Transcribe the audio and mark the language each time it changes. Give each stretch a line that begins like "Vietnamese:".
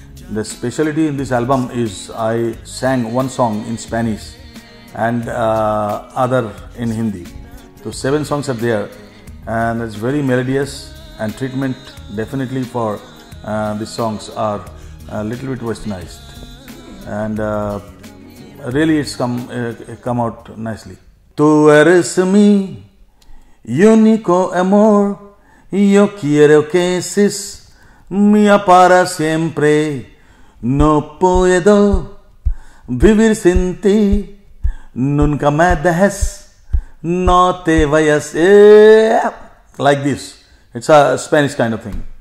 English: The speciality in this album is I sang one song in Spanish and other in Hindi. So 7 songs are there, and it's very melodious, and treatment definitely for these songs are a little bit westernized, and really it's come out nicely.
Spanish: Tu eres mi único amor, yo quiero que seas mía para siempre. No puedo vivir sin ti, nunca me dejes, no te vayas.
English: Like this, it's a Spanish kind of thing.